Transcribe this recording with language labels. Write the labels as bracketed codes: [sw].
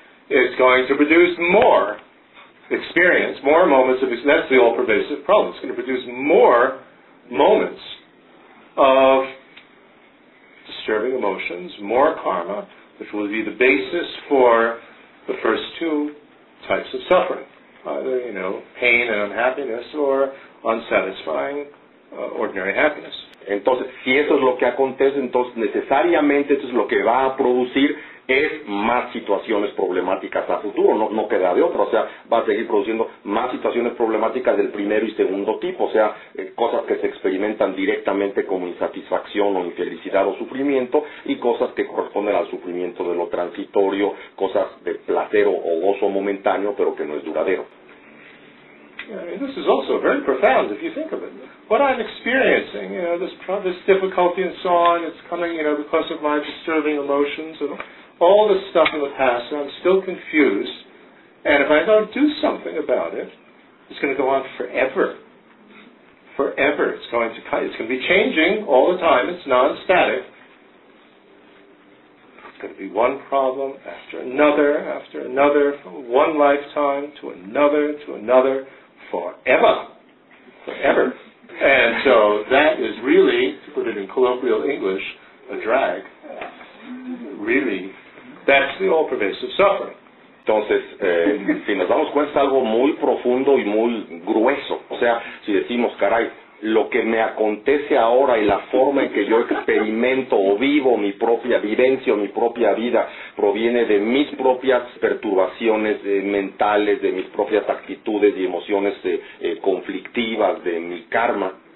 [en] It's going to produce more experience, more moments of experience. That's the all-pervasive problem. It's going to produce more moments of disturbing emotions, more karma, which will be the basis for the first two types of suffering. Either, you know, pain and unhappiness or unsatisfying ordinary happiness. [es] Entonces, si eso es lo que acontece, entonces necesariamente eso es lo que va a producir es más situaciones problemáticas a futuro, no queda de otro, o sea, va a seguir produciendo más situaciones problemáticas del primero y segundo tipo, o sea, cosas que se experimentan directamente como insatisfacción o infelicidad o sufrimiento, y cosas que corresponden al sufrimiento de lo transitorio, cosas de placer o gozo momentáneo, pero que no es duradero. [en] This is also very profound if you think of it. What I'm experiencing, you know, this difficulty and so on, it's coming, you know, because of my disturbing emotions and all this stuff in the past, and I'm still confused. And if I don't do something about it, it's going to go on forever. Forever. It's going to be changing all the time. It's non-static. It's going to be one problem after another, from one lifetime to another, forever. Forever. And so that is really, to put it in colloquial English, a drag. Really, that's the all-pervasive suffering. [es] Entonces, si nos damos cuenta, es algo muy profundo y muy grueso. O sea, si decimos, caray, lo que me acontece ahora y la forma en que yo experimento o vivo mi propia vivencia o mi propia vida proviene de mis propias perturbaciones mentales, de mis propias actitudes y emociones conflictivas, de mi karma.